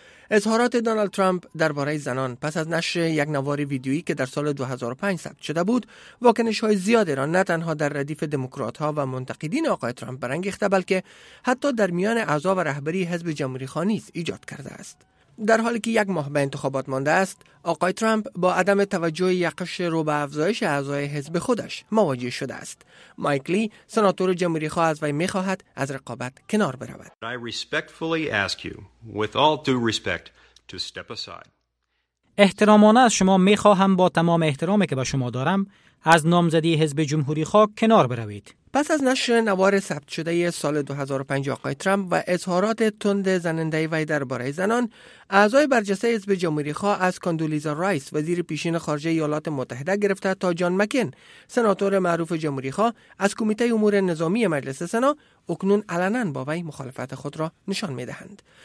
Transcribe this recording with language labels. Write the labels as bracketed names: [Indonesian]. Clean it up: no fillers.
[Persian] اظهارات دونالد ترامپ درباره زنان پس از نشر یک نوار ویدیویی که در سال 2005 ثبت شده بود واکنش‌های زیادی را نه تنها در ردیف دموکرات‌ها و منتقدین آقای ترامپ برانگیخته بلکه حتی در میان اعضا و رهبری حزب جمهوری خواه نیز ایجاد کرده است. در حالی که یک ماه به انتخابات مانده است، آقای ترامپ با عدم توجه یقش رو به افزایش اعضای حزب خودش مواجه شده است. مایک لی، سناتور جمهوری خواه، از وی می‌خواهد از رقابت کنار برود. [English] I respectfully ask you, with all due respect, to step aside. [Persian] احترامانه از شما می خواهم با تمام احترامی که به شما دارم از نامزدی حزب جمهوری خواه کنار بروید. پس از نشر نوار ثبت شده سال 2005 آقای ترامپ و اظهارات تند زننده وی درباره زنان، اعضای برجسته حزب جمهوری خواه از کاندولیزا رایس وزیر پیشین خارجه ایالات متحده گرفته تا جان مکن سناتور معروف جمهوری خواه از کمیته امور نظامی مجلس سنا اکنون علنا با وی مخالفت خود را نشان می دهند.